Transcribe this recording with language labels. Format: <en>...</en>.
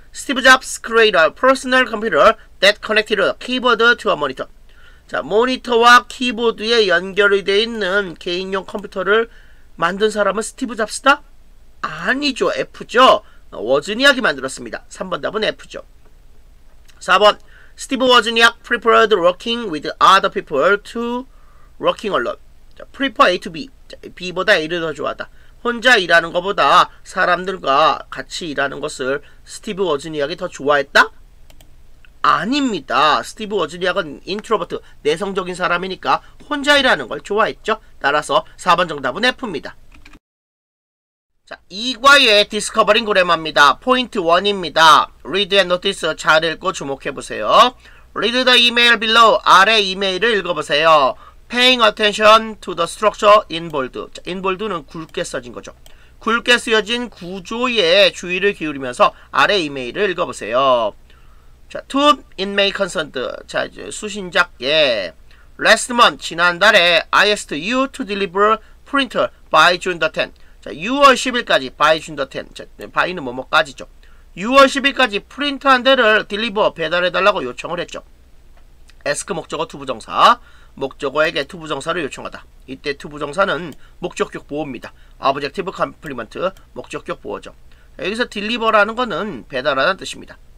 <en>Steve Jobs created a personal computer that connected a keyboard to a monitor.</en> <ko>자, 모니터와 키보드에 연결이 되어 있는 개인용 컴퓨터를 만든 사람은 스티브 잡스다? 아니죠. F죠. 워즈니악이 만들었습니다. 3번 답은 F죠. 4번.</ko> <en>스티브 워즈니악 prepared working with other people to working alone. 자, prefer A to B.</en> <ko>자, B보다 A를 더 좋아하다. 혼자 일하는 것보다 사람들과 같이 일하는 것을 스티브 워즈니악이 더 좋아했다? 아닙니다. 스티브 워즈니악은 인트로버트, 내성적인 사람이니까 혼자 일하는 걸 좋아했죠. 따라서 4번 정답은 F입니다. 자, 2과의 디스커버링 그래마입니다. 포인트 1입니다.</ko> <en>Read and notice</en> <ko>잘 읽고 주목해보세요.</ko> <en>Read the email below.</en> <ko>아래 이메일을 읽어보세요.</ko> <en>Paying attention to the structure in bold. 자, in bold는</en> <ko>굵게 써진 거죠. 굵게 쓰여진 구조에 주의를 기울이면서 아래 이메일을 읽어보세요. 자,</ko> <en>to inmate consent.</en> <ko>자, 이제 수신자께.</ko> <en>Last month,</en> <ko>지난달에</ko> <en>I asked you to deliver printer by June the 10th.</en> <ko>자, 6월 10일까지</ko> <en>by June the 10th.</en> <ko>바이는 뭐뭐까지죠. 6월 10일까지 프린터 한 대를 딜리버 배달해달라고 요청을 했죠. ask 목적어 to 부정사. 목적어에게 to 부정사를 요청하다. 이때 to 부정사는 목적격 보호입니다.</ko> <en>objective complement</en> <ko>목적격 보호죠. 여기서 deliver라는 거는 배달하다는 뜻입니다.</ko>